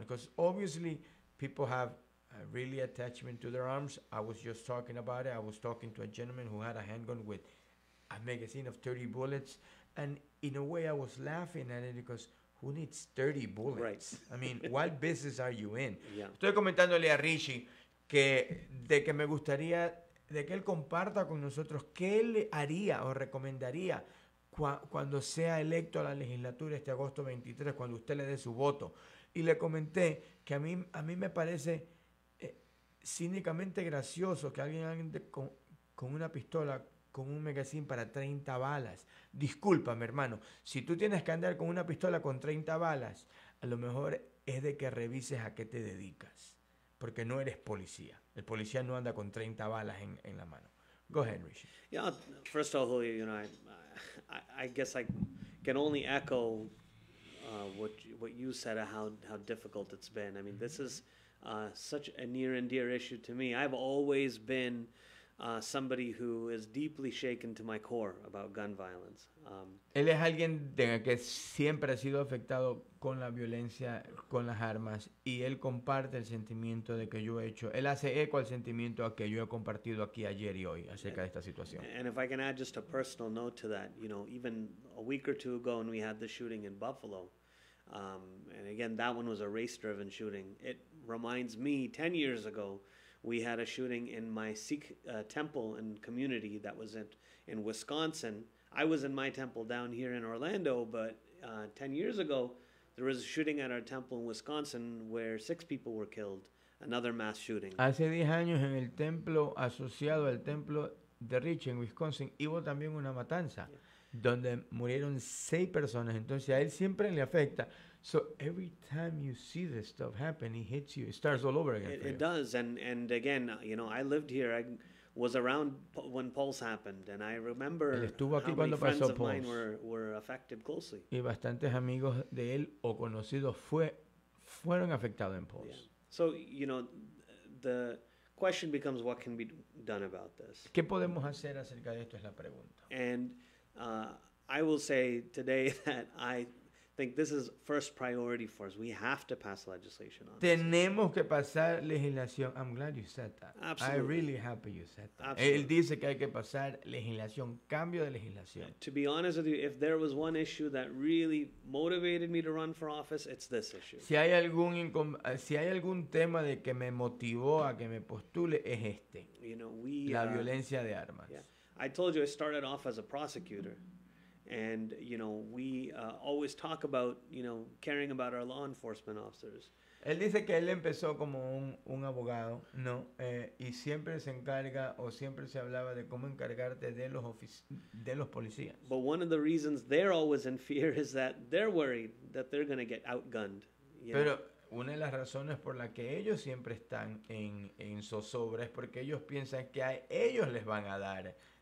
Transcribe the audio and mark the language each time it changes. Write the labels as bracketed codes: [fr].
[en] Because obviously people have a really attachment to their arms. I was just talking about it. I was talking to a gentleman who had a handgun with a magazine of 30 bullets. And in a way, I was laughing at it because who needs 30 bullets? Right. I mean, what business are you in? Yeah. [es] Estoy comentándole a Richie que me gustaría de que él comparta con nosotros qué él haría o recomendaría cuando sea electo a la legislatura este agosto 23, cuando usted le dé su voto. Y le comenté que a mí me parece cínicamente gracioso que alguien con una pistola, con un magazine para 30 balas. Discúlpame, hermano, si tú tienes que andar con una pistola con 30 balas, a lo mejor es de que revises a qué te dedicas, porque no eres policía. El policía no anda con 30 balas en la mano. [en] Go ahead, Rishi. Yeah, first of all, Julio, you know, I guess I can only echo what you said of how difficult it's been. I mean, this is such a near and dear issue to me. I've always been somebody who is deeply shaken to my core about gun violence. [es] Él es alguien de que siempre ha sido afectado con la violencia, con las armas, y él comparte el sentimiento de que yo he hecho. Él hace eco al sentimiento que yo he compartido aquí ayer y hoy acerca de esta situación. [en] And if I can add just a personal note to that, you know, even a week or two ago when we had the shooting in Buffalo, and again, that one was a race-driven shooting, it reminds me 10 years ago, we had a shooting in my Sikh temple and community that was in Wisconsin. I was in my temple down here in Orlando, but 10 years ago, there was a shooting at our temple in Wisconsin where 6 people were killed, another mass shooting. [es] Hace 10 años en el templo asociado al templo de Rich en Wisconsin, hubo también una matanza, yeah, donde murieron 6 personas. Entonces a él siempre le afecta. [en] So every time you see this stuff happen, it hits you. It starts all over again. It does. And again, you know, I lived here. I was around when Pulse happened. And I remember how many friends of mine were affected closely. [es] Y bastantes amigos de él o conocidos fueron afectados en Pulse. [en] Yeah. So, you know, the question becomes what can be done about this. [es] ¿Qué podemos hacer acerca de esto? Es la pregunta. [en] And I will say today that I think this is first priority for us. We have to pass legislation on [es] Tenemos que pasar legislación. [en] I'm glad you said that. Absolutely. I'm really happy you said that. Absolutely. [es] Él dice que hay que pasar legislación, cambio de legislación. [en] To be honest with you, if there was one issue that really motivated me to run for office, it's this issue. [es] Si hay algún tema de que me motivó a que me postule, es este. [en] You know, we [es] la violencia de armas. [en] Yeah. I told you I started off as a prosecutor. And, you know, we always talk about, you know, caring about our law enforcement officers. [es] Él dice que él empezó como un abogado, ¿no? Y siempre se encarga o siempre se hablaba de cómo encargarte de los policías. [en] But one of the reasons they're always in fear is that they're worried that they're going to get outgunned. [es] Pero una de las razones por la que ellos siempre están en zozobra es porque ellos piensan que a ellos les van a dar